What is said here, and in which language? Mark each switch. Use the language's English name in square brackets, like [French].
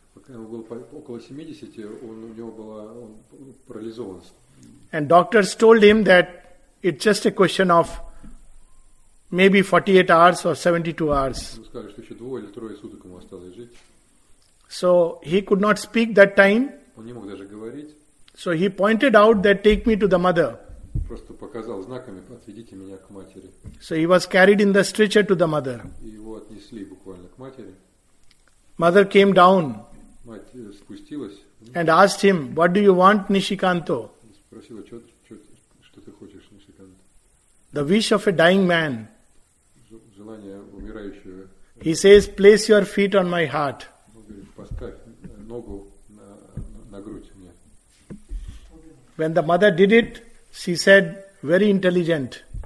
[Russian] Около 70, у него было парализован. [English] And doctors told him that it's just a question of maybe 48 hours or 72 hours. [Russian] Сказали, что еще двое или трое суток ему осталось жить. [English] So he could not speak that time. [Russian] Он не мог даже говорить. [English] So he pointed out that take me to the mother. [Russian] Просто показал знаками, отведите меня к матери. [English] So he was carried in the stretcher to the mother. [Russian] И его отнесли буквально к матери. [English] Mother came down. [Russian] Мать спустилась. [English] And asked him, "What do you want, Nishikanto?" [Russian] Спросила, что ты хочешь, Nishikanto? [English] The wish of a dying man. [Russian] Желание умирающего. [English] He says, "Place your feet on my heart." [Russian] Поставь ногу на грудь мне. [English] When the mother did it, she said, "Very intelligent."